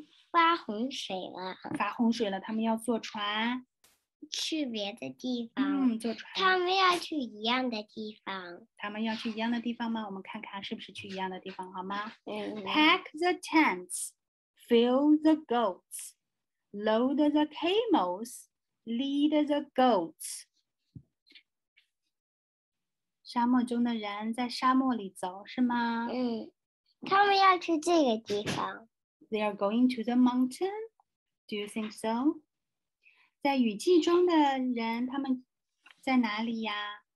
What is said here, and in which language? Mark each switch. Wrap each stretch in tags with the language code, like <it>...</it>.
<zh>发洪水了。发洪水了，他们要坐船去别的地方。嗯，坐船。他们要去一样的地方。他们要去一样的地方吗？我们看看是不是去一样的地方，好吗？嗯。</zh> <en>Pack the tents. Fill the goats, load the camels, lead the goats.</en> <zh>沙漠中的人在沙漠里走，是吗？嗯，他们要去这个地方。</zh> <en>They are going to the mountain. Do you think so?</en> <zh>在雨季中的人，他们在哪里呀？</zh>